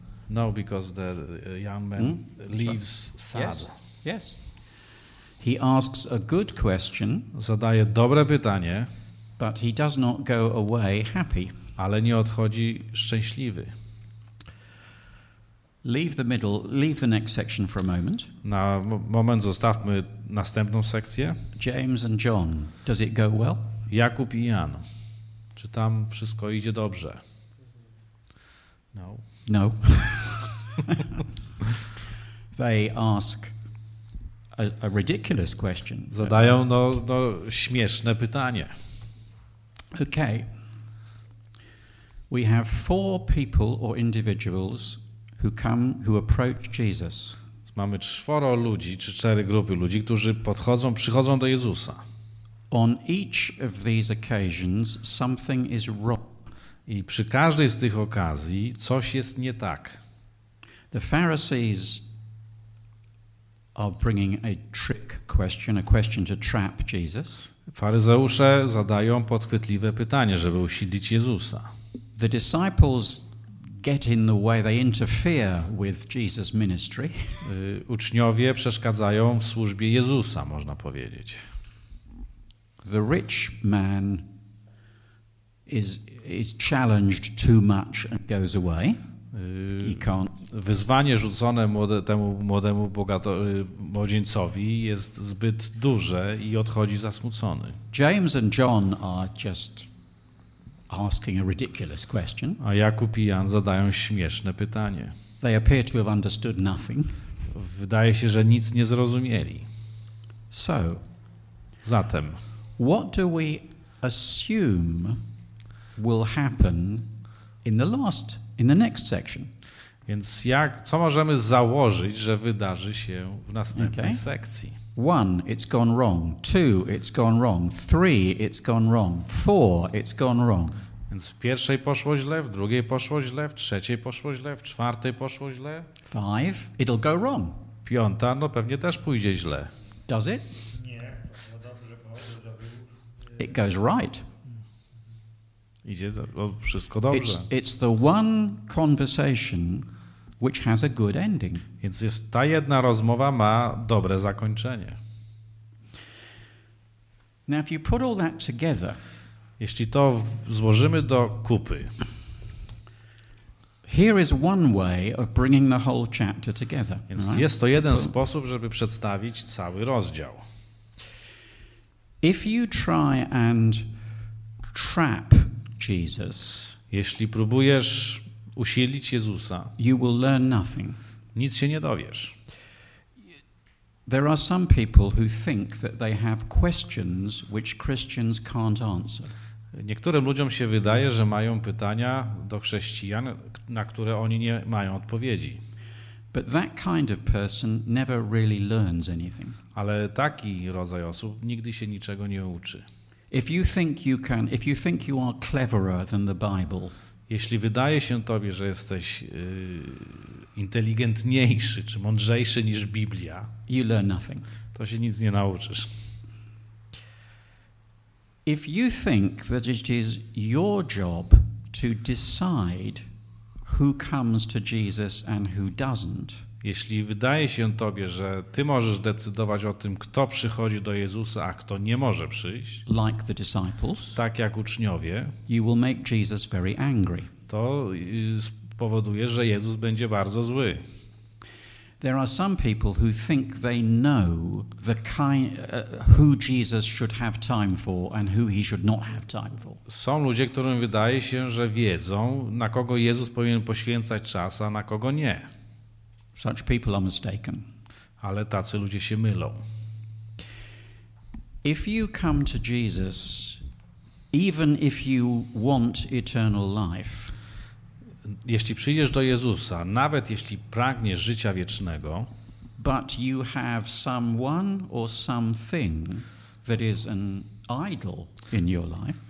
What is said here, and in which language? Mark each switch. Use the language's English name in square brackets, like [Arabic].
[English] No, because the young man leaves sad. Yes. He asks a good question. [Polish] Zadaje dobre pytanie. [English] But he does not go away happy. [Polish] Ale nie odchodzi szczęśliwy. [English] Leave the middle, leave the next section for a moment. [Polish] Na moment zostawmy następną sekcję. [English] James and John, does it go well? [Polish] Jakub i Jan. Czy tam wszystko idzie dobrze? [English] No. [Polish] No. [English] They ask a ridiculous question. [Polish] Zadają no śmieszne pytanie. [English] Okay. We have four people or individuals who come, who approach Jesus. [Polish] Mamy czworo ludzi, czy cztery grupy ludzi, którzy podchodzą, przychodzą do Jezusa. [English] On each of these occasions something is wrong. [Polish] I przy każdej z tych okazji coś jest nie tak. [English] The Pharisees are bringing a trick question, a question to trap Jesus. [Polish] Faryzeusze zadają podchwytliwe pytanie, żeby usilić Jezusa. [English] The disciples get in the way, they interfere with Jesus' ministry. [Polish] Uczniowie przeszkadzają w służbie Jezusa, można powiedzieć. [English] The rich man is challenged too much and goes away. He can't. [Polish] Wyzwanie rzucone temu młodemu młodzieńcowi jest zbyt duże i odchodzi zasmucony. [English] James and John are just asking a ridiculous question. [Polish] A Jakub i Jan zadają śmieszne pytanie. [English] They appear to have understood nothing. [Polish] Wydaje się, że nic nie zrozumieli. [English] So, [Polish] zatem, [English] what do we assume will happen in the last, in the next section? [Polish] Więc jak, co możemy założyć, że wydarzy się w następnej sekcji? [English] One, it's gone wrong. Two, it's gone wrong. Three, it's gone wrong. Four, it's gone wrong. [Polish] Więc w pierwszej poszło źle, w drugiej poszło źle, w trzeciej poszło źle, w czwartej poszło źle. [English] Five, it'll go wrong. [Polish] Piąta, no pewnie też pójdzie źle. [English] Does it? [Polish] Nie, no dobrze, żeby... [English] It goes right. [Polish] Idzie wszystko dobrze. [English] It's the one conversation which has a good ending. [Polish] Więc jest ta jedna rozmowa ma dobre zakończenie. [English] Now if you put all that together, [Polish] jeśli to złożymy do kupy, [English] here is one way of bringing the whole chapter together. [Polish] Więc [English] right? [Polish] Jest to jeden sposób, żeby przedstawić cały rozdział. [English] If you try and trap Jesus, [Polish] jeśli próbujesz usilić Jezusa, [English] you will learn nothing. [Polish] Nic się nie dowiesz. [English] There are some people who think that they have questions which Christians can't answer. [Polish] Niektórym ludziom się wydaje, że mają pytania do chrześcijan, na które oni nie mają odpowiedzi. [English] But that kind of person never really learns anything. [Polish] Ale taki rodzaj osób nigdy się niczego nie uczy. [English] If you think you can, if you think you are cleverer than the Bible, [Polish] jeśli wydaje się tobie, że jesteś inteligentniejszy czy mądrzejszy niż Biblia, [English] you learn nothing. [Polish] To się nic nie nauczysz. [English] If you think that it is your job to decide who comes to Jesus and who doesn't, [Polish] jeśli wydaje się tobie, że ty możesz decydować o tym, kto przychodzi do Jezusa, a kto nie może przyjść, [English] like the disciples, [Polish] tak jak uczniowie, [English] you will make Jesus very angry. [Polish] To spowoduje, że Jezus będzie bardzo zły. [English] There are some people who think they know the kind who Jesus should have time for and who he should not have time for. [Polish] Są ludzie, którym wydaje się, że wiedzą, na kogo Jezus powinien poświęcać czas, a na kogo nie. [English] Such people are mistaken. [Polish] Ale tacy ludzie się mylą. [English] If you come to Jesus, even if you want eternal life, [Polish] jeśli przyjdziesz do Jezusa, nawet jeśli pragniesz życia wiecznego, [English] but you have someone or something that is an idol in your life,